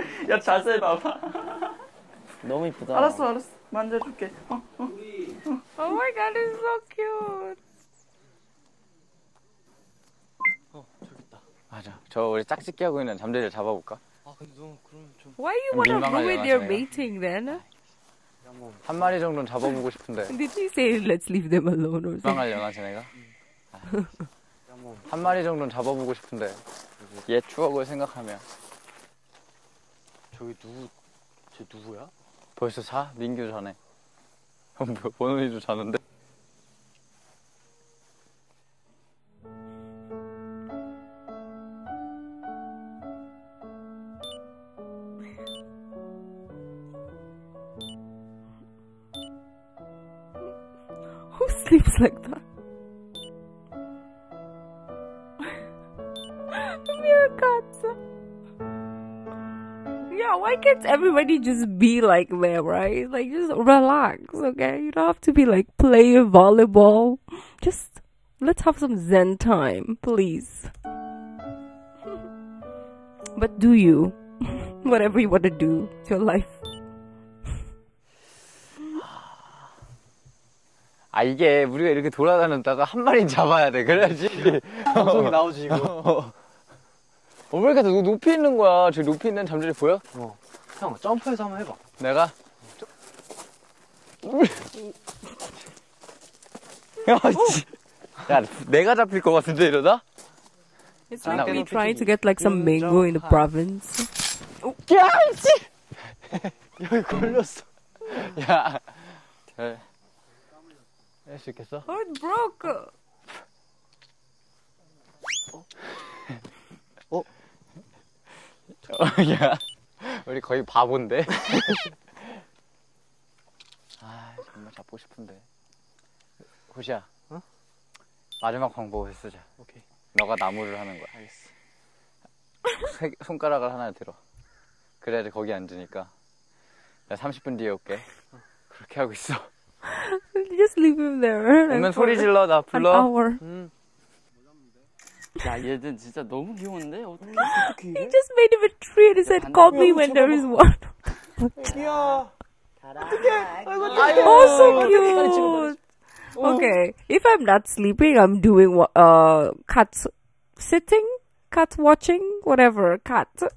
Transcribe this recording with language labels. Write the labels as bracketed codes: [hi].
[ko] 야, 자세 봐봐. 너무 이쁘다. 알았어, 알았어. 만져줄게. [en] Oh my god, it's so cute. [ko] 맞아. 저 우리 짝짓기 하고 있는 잠자리를 잡아볼까? 아, 근데 너 그러면 좀. [en] Why you wanna go with your mating then? [ko] 한 마리 정도는 잡아보고 싶은데. [en] Did you say let's leave them alone or something? [ko] 망할려나 쟤네가? 한 마리 정도는 잡아보고 싶은데. 옛 추억을 생각하며. 저기 누구? 쟤 누구야? 벌써 자? 민규 자네. 번호리도 자는데? [en] Sleeps like that. Meerkats. Yeah, why can't everybody just be like them, right? Like, just relax, okay? You don't have to be like playing volleyball. Just let's have some zen time, please. But do you? Whatever you want to do, it's your life. [ko] 아, 이게 우리가 이렇게 돌아다녔다가 한 마리 잡아야 돼. 그래야지 방송이 나오지 이거. 어, 왜 이렇게 너무 높이 있는 거야? 저 높이 있는 잠자리 보여? 어. 형 점프해서 한번 해봐. 내가? 야, 야, 내가 잡힐 것 같은데 이러다? [en] It's like we trying to get like some mango in the province. [ko] 야, 씨! 여기 걸렸어. 야, 잘. 할 수 있겠어? [en] Oh, it broke! [ko] 어? 어? 야, 우리 거의 바본데? 아, 정말 잡고 싶은데. 호시야. 어? 마지막 방법을 쓰자. 오케이. 너가 나무를 하는 거야. 알겠어. 손가락을 하나 들어. 그래야지 거기 앉으니까. 나 30분 뒤에 올게. 어. 그렇게 하고 있어. [en] Just leave him there. [ko] 오면 소리 질러, 나 불러. [en] An hour. [ko] 야, 얘는 진짜 너무 귀여운데? 어떻게 이래? [en] He just made him a tree and said, call me when there is one. [ko] 야, 어떡해. 아이고, 어떡해. [en] Oh, so cute. Okay, if I'm not sleeping, I'm doing cat sitting, cat watching, whatever, cat.